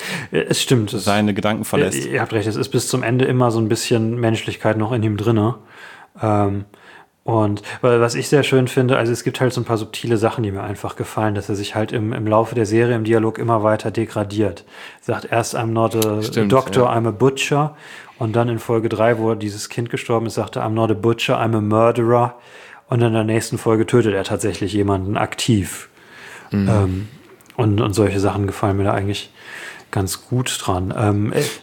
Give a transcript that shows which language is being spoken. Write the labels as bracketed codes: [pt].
[de] es stimmt, seine Gedanken verlässt. Ihr habt recht, es ist bis zum Ende immer so ein bisschen Menschlichkeit noch in ihm drin. Und was ich sehr schön finde, also es gibt halt so ein paar subtile Sachen, die mir einfach gefallen, dass er sich halt im Laufe der Serie im Dialog immer weiter degradiert. Sagt erst, [en] I'm not a doctor, I'm a butcher. [de] Und dann in Folge 3, wo dieses Kind gestorben ist, sagt er, [en] I'm not a butcher, I'm a murderer. [de] Und in der nächsten Folge tötet er tatsächlich jemanden aktiv. Und solche Sachen gefallen mir da eigentlich ganz gut dran.